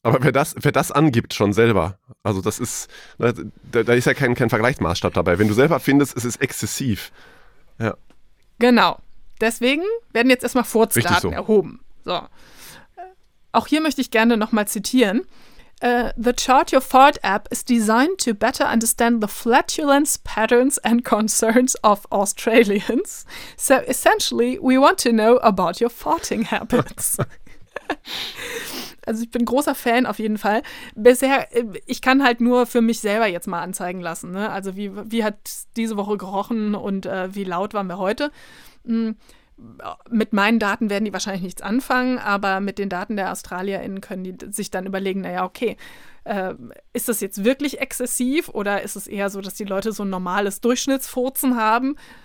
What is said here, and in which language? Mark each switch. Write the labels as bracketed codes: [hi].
[de] Aber wer das angibt schon selber, also das ist, da ist ja kein Vergleichsmaßstab dabei. Wenn du selber findest, es ist exzessiv. Ja. Genau. Deswegen werden jetzt erstmal Furzdaten erhoben. So. Auch hier möchte ich gerne nochmal zitieren. [en] The Chart Your Fart App is designed to better understand the flatulence patterns and concerns of Australians. So essentially, we want to know about your farting habits. [de] Also ich bin großer Fan auf jeden Fall. Bisher, ich kann halt nur für mich selber jetzt mal anzeigen lassen. Ne? Also wie hat diese Woche gerochen und wie laut waren wir heute? Mit meinen Daten werden die wahrscheinlich nichts anfangen, aber mit den Daten der AustralierInnen können die sich dann überlegen, naja, okay, ist das jetzt wirklich exzessiv oder ist es eher so, dass die Leute so ein normales Durchschnittsfurzen haben?